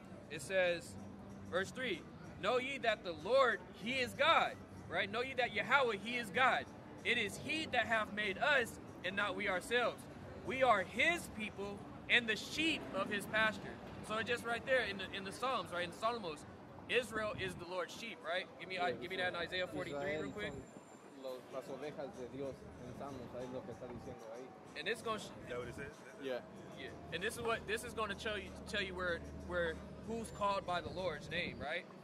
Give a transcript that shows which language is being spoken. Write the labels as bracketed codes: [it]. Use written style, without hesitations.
[en] It says, verse 3, know ye that the Lord, he is God, right? Know ye that Yahweh, he is God. It is he that hath made us and not we ourselves. We are his people and the sheep of his pasture. So just right there in the Psalms, right, in Solomos, Israel is the Lord's sheep, right? Give me that in Isaiah 43 real quick. [es] Las ovejas de Dios en Salmos, ahí lo que está diciendo ahí. [en] And it's going to... Is that what it says? Yeah. And this is what, this is going to tell you where who's called by the Lord's name, right?